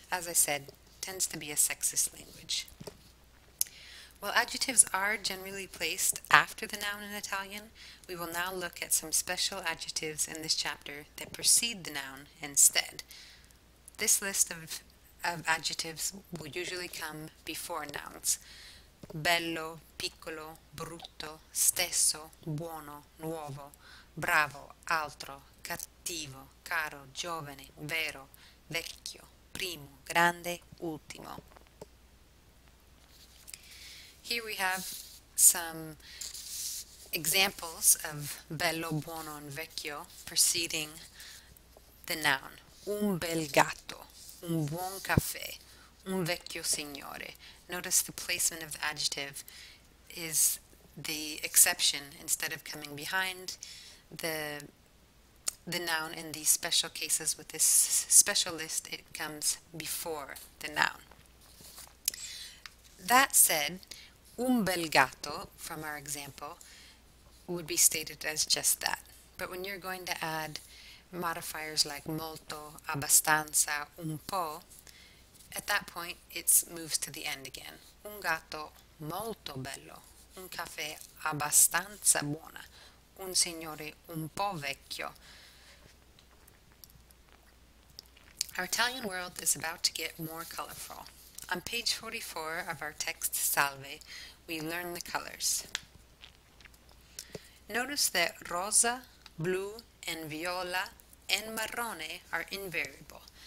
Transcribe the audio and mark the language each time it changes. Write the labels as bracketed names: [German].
[English] As I said, tends to be a sexist language. While adjectives are generally placed after the noun in Italian, we will now look at some special adjectives in this chapter that precede the noun instead. This list of adjectives will usually come before nouns. [Italian] Bello, piccolo, brutto, stesso, buono, nuovo, bravo, altro, cattivo, caro, giovane, vero, vecchio, primo, grande, ultimo. [English] Here we have some examples of bello, buono, and vecchio preceding the noun. [Italian] Un bel gatto, un buon caffè, un vecchio signore. [English] Notice the placement of the adjective is the exception instead of coming behind the noun. In these special cases with this special list, it comes before the noun. That said, [Italian] un bel gatto, [English] from our example, would be stated as just that. But when you're going to add modifiers like molto, abbastanza, un po', at that point it moves to the end again. [Italian] Un gatto molto bello, un caffè abbastanza buona, un signore un po' vecchio. [English] Our Italian world is about to get more colorful. On page 44 of our text Salve, we learn the colors. Notice that rosa, blue, and viola, and marrone are invariable.